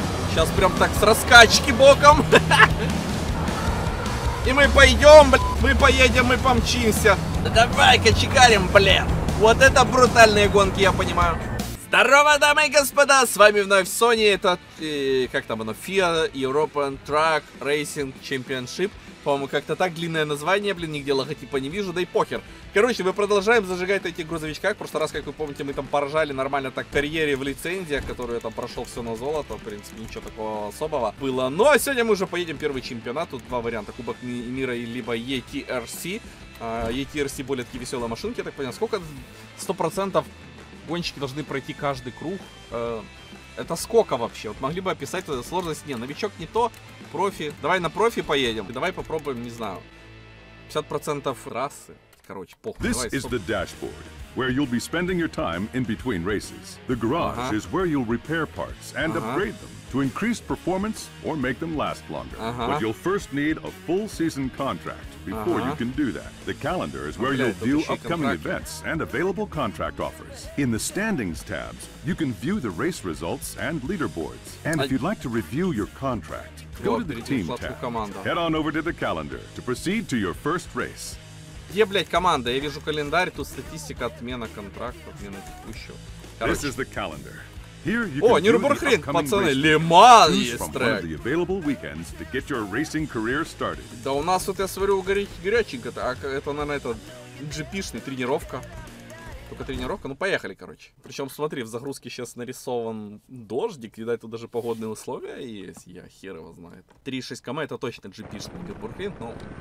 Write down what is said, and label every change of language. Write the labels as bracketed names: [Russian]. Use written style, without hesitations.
[Russian] Сейчас прям так с раскачки боком. И мы пойдем, блядь, мы поедем и помчимся. Давай-ка чикарим, блин. Вот это брутальные гонки, я понимаю. Здорово, дамы и господа, с вами вновь Sony. Это, как там оно, FIA European Truck Racing Championship. По-моему, как-то так длинное название, блин, нигде логотипа не вижу, да и похер. Короче, мы продолжаем зажигать эти грузовичка. В прошлый раз, как вы помните, мы там поражали нормально так карьере в лицензиях, которую я там прошел все на золото. В принципе, ничего такого особого было. Ну, а сегодня мы уже поедем первый чемпионат. Тут два варианта. Кубок мира и либо ETRC. ETRC более такие веселые машинки, я так понял. Сколько? 100% гонщики должны пройти каждый круг. Это сколько вообще? Вот могли бы описать эту сложность. Не, новичок не то. Профи. Давай на профи поедем. Давай попробуем, не знаю. 50% трассы. Короче, похуй. [English] This is the dashboard, where you'll be spending your time in between races. The garage is where you'll repair parts and upgrade them to increase performance or make them last longer. But you'll first need a full season contract before you can do that. The calendar is where you'll view upcoming events and available contract offers. In the standings tabs, you can view the race results and leaderboards. And if you'd like to review your contract, go to the team tab. Head on over to the calendar to proceed to your first race. [Russian] Где, блядь, команда? Я вижу календарь, тут статистика, отмена контракта, отмена текущего. [English] This is the calendar. Here you can [Russian] Нюрбургринг, пацаны, Лиман есть трек. [English] From one of the available weekends to get your racing career started. [Russian] Да у нас, вот я смотрю, горяченько-то. А это, наверное, это GP-шный, тренировка. Только тренировка? Ну, поехали, короче. Причем, смотри, в загрузке сейчас нарисован дождик. Видать, тут даже погодные условия есть. Я хер его знает. 3,6 км, это точно GP-шный Нюрбургринг, но...